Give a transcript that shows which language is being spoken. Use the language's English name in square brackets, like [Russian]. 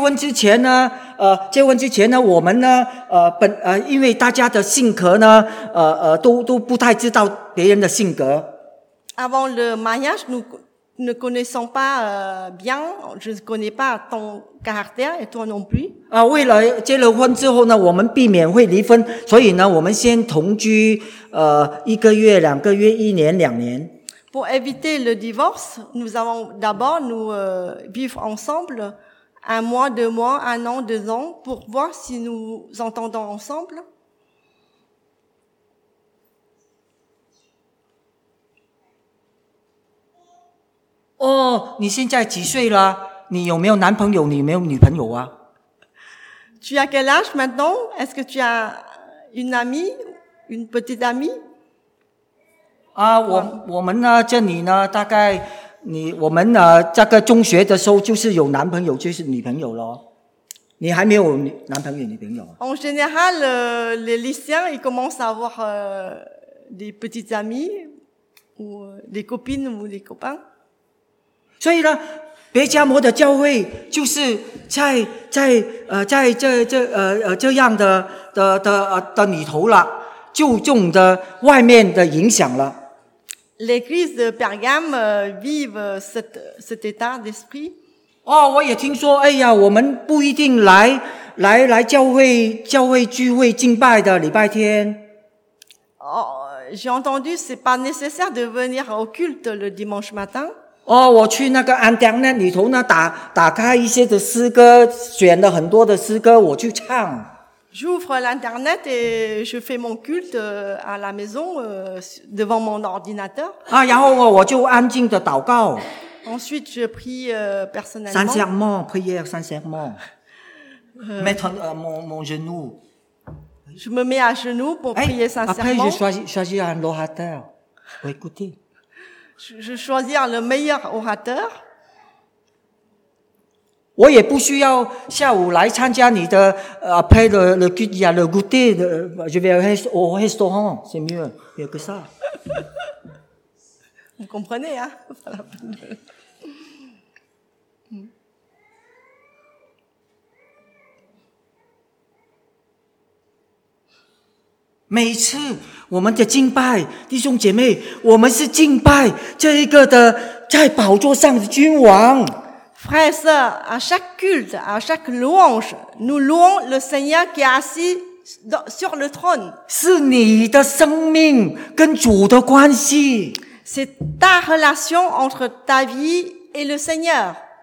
[Chinese] 结婚之前呢我们呢因为大家的性格呢都不太知道别人的性格。 [French] Avant le mariage, nous ne connaissons pas bien, je ne connais pas ton caractère et toi non plus. [Chinese] 为了结了婚之后呢我们避免会离婚所以呢我们先同居一个月两个月一年两年。 [French] Pour éviter le divorce, nous avons d'abord nous vivre ensemble un mois, deux mois, un an, deux ans pour voir si nous entendons ensemble. [Chinese] 你现在几岁了？你有没有男朋友？你有没有女朋友啊 [French] ？Tu as quel âge maintenant? Est-ce que tu as une amie, une petite amie? [Chinese] 我们呢？这里呢？大概我们这个中学的时候就是有男朋友就是女朋友了。你还没有男朋友女朋友啊？ [French] En général, les lycéens, ils commencent à avoir des petites amies, ou des copines, ou des copains. [Chinese] 所以呢，别加摩的教会就是在这样的里头了，就中的外面的影响了。 [French] L'église de Bergame vive cet état d'esprit。 [Chinese] 哦，我也听说，哎呀，我们不一定来教会聚会敬拜的礼拜天。 [French] 哦、oh, ，j'ai entendu, c'est pas nécessaire de venir au culte le dimanche matin。 [Chinese] 哦，我去那个 internet 里头呢，打开一些的诗歌，选了很多的诗歌，我去唱。 [French] J'ouvre l'internet et je fais mon culte à la maison devant mon ordinateur。 [Chinese] 啊，然后我就安静的祷告。 [French] Ensuite, je prie personnellement. Sincèrement, prière sincèrement. Mettre mon genou. Je me mets à genoux pour prier sincèrement. Après, je choisis un orateur pour écouter. Je choisis le meilleur orateur. [Chinese] 我也不需要下午来参加你的 [French] après le culte, le goûter. Je vais au restaurant, c'est mieux que ça. Vous comprenez, hein? Voilà. [Chinese] 每次我们的敬拜，弟兄姐妹，我们是敬拜这一个的在宝座上的君王。 [French] Frères et sœurs, à chaque culte, à chaque louange, nous louons le Seigneur qui est assis sur le trône. [Chinese] 是你的生命跟主的关系。 [French] C'est ta relation entre ta vie et le Seigneur.